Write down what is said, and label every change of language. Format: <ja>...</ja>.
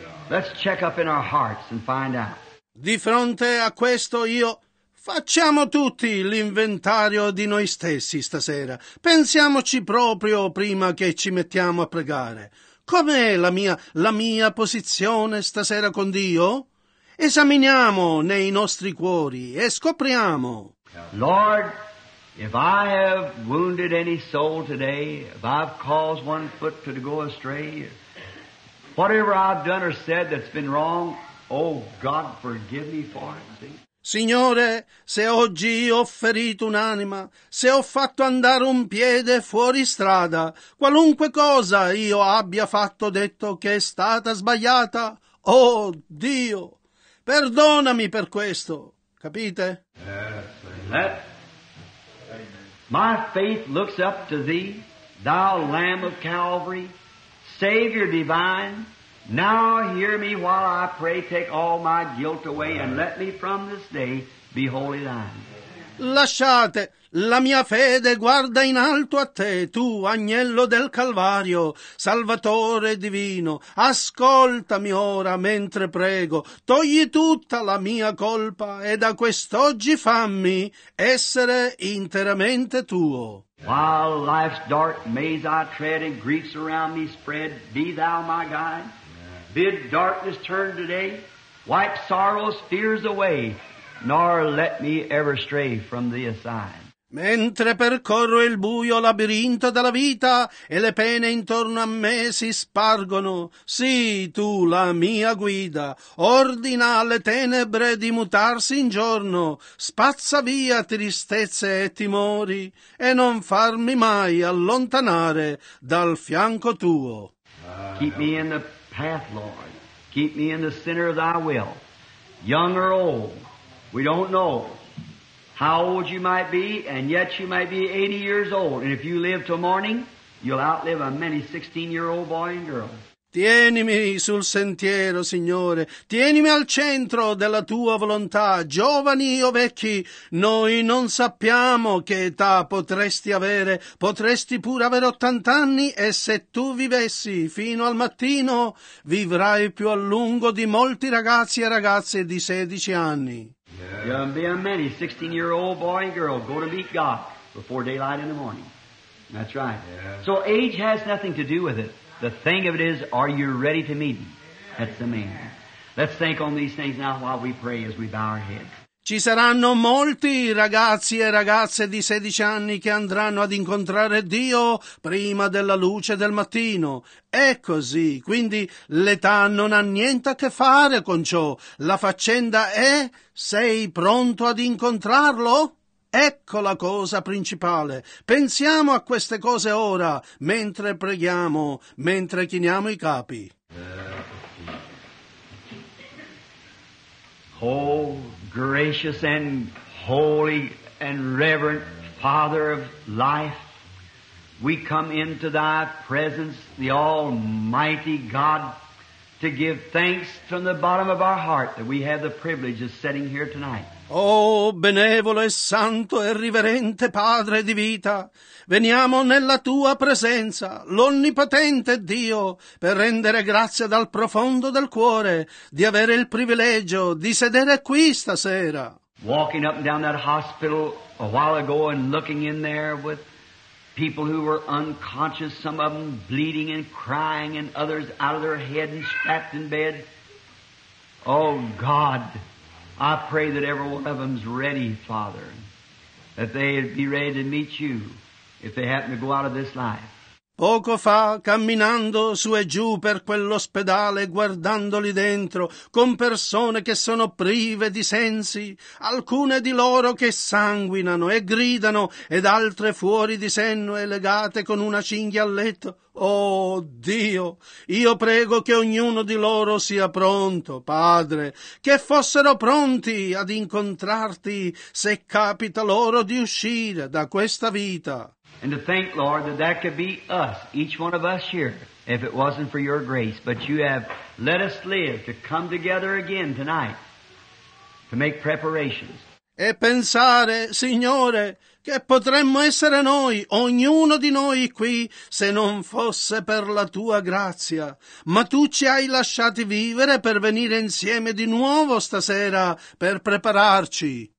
<en>Let's check up in our hearts and find out.</en> <it>Di fronte a questo io, facciamo tutti l'inventario di noi stessi stasera. Pensiamoci proprio prima che ci mettiamo a pregare. Com'è la mia posizione stasera con Dio? Esaminiamo nei nostri cuori e scopriamo.</it> <en>Lord, if I have wounded any soul today, if I've caused one foot to go astray, whatever I've done or said that's been wrong, oh God, forgive me for it. See?</en> <it>Signore, se oggi ho ferito un'anima, se ho fatto andare un piede fuori strada, qualunque cosa io abbia fatto o detto che è stata sbagliata, oh Dio, perdonami per questo. Capite?</it> <en>My faith looks up to thee, thou Lamb of Calvary, Savior divine. Now hear me while I pray, take all my guilt away, and let me from this day be wholly thine.</en> <it>Lasciate, la mia fede guarda in alto a te, tu agnello del Calvario, Salvatore divino. Ascoltami ora mentre prego, togli tutta la mia colpa e da quest'oggi fammi essere interamente tuo.</it> <en>While life's dark maze I tread and griefs around me spread, be thou my guide. Bid darkness turn today, wipe sorrow's fears away, nor let me ever stray from thee aside.</en> <it>Mentre percorro il buio labirinto della vita e le pene intorno a me si spargono, sii tu la mia guida, ordina alle tenebre di mutarsi in giorno, spazza via tristezze e timori e non farmi mai allontanare dal fianco tuo.</it> <en>Keep me in the path, Lord. Keep me in the center of thy will. Young or old, we don't know. How old you might be, and yet you might be 80 years old. And if you live till morning, you'll outlive a many 16-year-old boy and girl.</en> <it>Tienimi sul sentiero, Signore. Tienimi al centro della Tua volontà. Giovani o vecchi, noi non sappiamo che età potresti avere. Potresti pure avere 80 anni e se tu vivessi fino al mattino, vivrai più a lungo di molti ragazzi e ragazze di 16 anni.</it> <en>Young be a many 16-year-old boy and girl go to meet God before daylight in the morning. That's right. Yeah. So age has nothing to do with it. The thing of it is, are you ready to meet Him? That's the man. Let's think on these things now while we pray as we bow our heads.</en> <it>Ci saranno molti ragazzi e ragazze di 16 anni che andranno ad incontrare Dio prima della luce del mattino. È così, quindi l'età non ha niente a che fare con ciò. La faccenda è, sei pronto ad incontrarlo? Ecco la cosa principale. Pensiamo a queste cose ora, mentre preghiamo, mentre chiniamo i capi.</it> <en>Oh, gracious and holy and reverent Father of life, we come into thy presence, the Almighty God, to give thanks from the bottom of our heart that we have the privilege of sitting here tonight.</en> <it>Oh, benevolo e santo e riverente Padre di vita, veniamo nella Tua presenza, l'Onnipotente Dio, per rendere grazie dal profondo del cuore di avere il privilegio di sedere qui stasera.</it> <en>Walking up and down that hospital a while ago and looking in there with people who were unconscious, some of them bleeding and crying and others out of their head and strapped in bed. Oh, God! I pray that every one of them's ready, Father, that they'd be ready to meet you if they happen to go out of this life.</en> <it>Poco fa, camminando su e giù per quell'ospedale, guardandoli dentro, con persone che sono prive di sensi, alcune di loro che sanguinano e gridano, ed altre fuori di senno e legate con una cinghia al letto. Oh Dio, io prego che ognuno di loro sia pronto, Padre, che fossero pronti ad incontrarti se capita loro di uscire da questa vita.</it> <en>And to think, Lord, that that could be us, each one of us here, if it wasn't for Your grace. But You have let us live to come together again tonight to make preparations.</en> <it>E pensare, Signore, che potremmo essere noi, ognuno di noi qui, se non fosse per la Tua grazia. Ma Tu ci hai lasciati vivere per venire insieme di nuovo stasera per prepararci.</it>